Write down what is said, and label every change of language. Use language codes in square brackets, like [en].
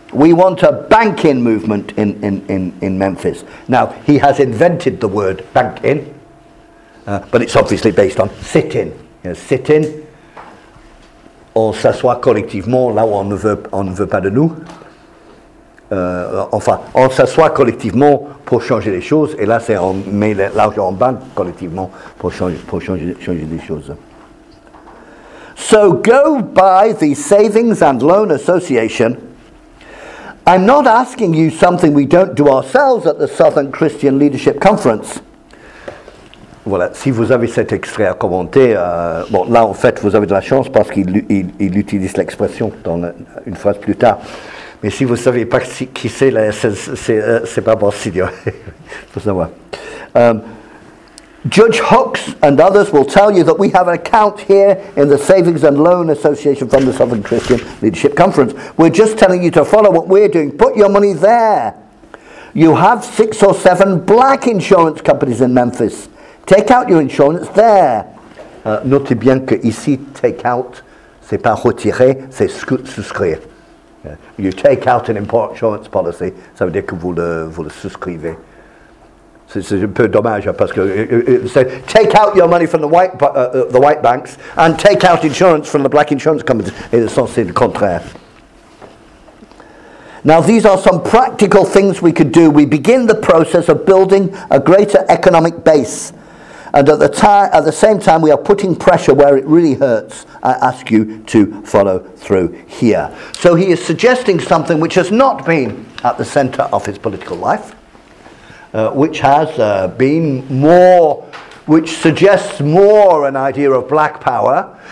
[en] We want a banking movement in Memphis. Now, he has invented the word banking, but it's obviously based on sit-in. [fr] You know, sit-in, on s'assoit collectivement là où on ne veut pas de nous. On s'assoit collectivement pour changer les choses, et là, c'est on met l'argent en banque collectivement pour changer les choses. [en] So go by the Savings and Loan Association. I'm not asking you something we don't do ourselves at the Southern Christian Leadership Conference. [fr] Voilà, si vous avez cet extrait à commenter, bon, là, en fait, vous avez de la chance parce qu'il utilise l'expression dans une phrase plus tard. Mais si vous ne savez pas qui c'est, là, c'est pas bon signe. Il faut savoir. [en] Judge Hooks and others will tell you that we have an account here in the Savings and Loan Association from the Southern Christian Leadership Conference. We're just telling you to follow what we're doing. Put your money there. You have 6 or 7 black insurance companies in Memphis. Take out your insurance there. [fr] Notez bien que ici, take out, c'est pas retirer, c'est souscrire. [en] You take out an insurance policy, [fr] ça veut dire que vous le souscrivez. C'est un peu dommage parce que c'est [en] take out your money from the white banks and take out insurance from the black insurance companies. [fr] Et le sens est le contraire. [en] Now these are some practical things we could do. We begin the process of building a greater economic base, and at the same time, we are putting pressure where it really hurts. I ask you to follow through here. So he is suggesting something which has not been at the center of his political life, which has been more, which suggests more an idea of black power.